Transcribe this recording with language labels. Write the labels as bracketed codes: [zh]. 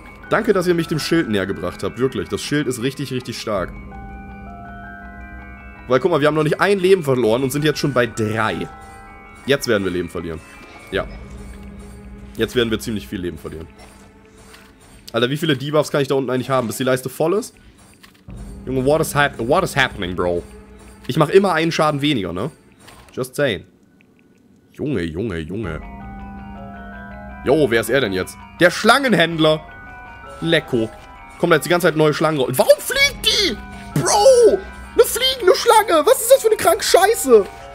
[de] Danke, dass ihr mich dem Schild näher gebracht habt. Wirklich, das Schild ist richtig, richtig stark. Weil, guck mal, wir haben noch nicht ein Leben verloren und sind jetzt schon bei 3. Jetzt werden wir Leben verlieren. Ja. Jetzt werden wir ziemlich viel Leben verlieren. Alter, wie viele Debuffs kann ich da unten eigentlich haben, bis die Leiste voll ist? Junge, [en] what is happening, bro? [de] Ich mache immer einen Schaden weniger, ne? [en] Just saying. [de] Junge, Junge, Junge. Yo, wer ist er denn jetzt? Der Schlangenhändler! Lecko. Kommt da jetzt die ganze Zeit neue Schlangen raus. Warum fliegt die? Bro! Eine fliegende Schlange! Was ist das für eine kranke Scheiße?